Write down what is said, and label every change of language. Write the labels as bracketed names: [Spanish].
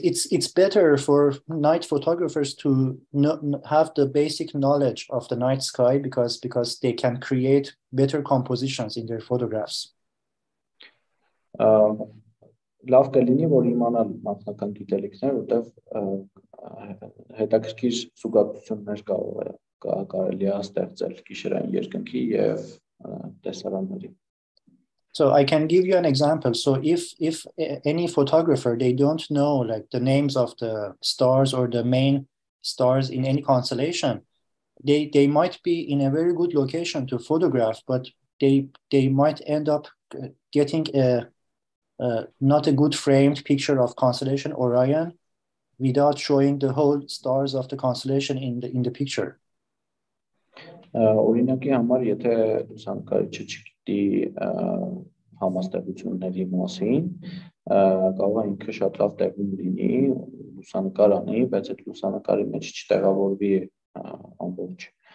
[English] It's better for night photographers to have the basic knowledge of the night sky because they can create better compositions in their photographs. [Armenian] լավ կլինի, որ իմանալ մասնական գիտելիքներ, որտեվ հետաքրքիր զուգակցություններ կարելի է ստեղծել գիշերային երկնքի եւ տեսարանների։ [English] So I can give you an example. So if any photographer, they don't know like the names of the stars or the main stars in any constellation, they might be in a very good location to photograph, but they might end up getting not a good framed picture of constellation Orion without showing the whole stars of the constellation in the picture. [Armenian] Օրինակի համար, եթե լուսանկարիչը չգիտի համաստեղությունների մասին, կարող է ինքը շատ լավ տեղում լինի, լուսանկար անի, բայց այդ լուսանկարի մեջ չտեղավորվի ամբողջ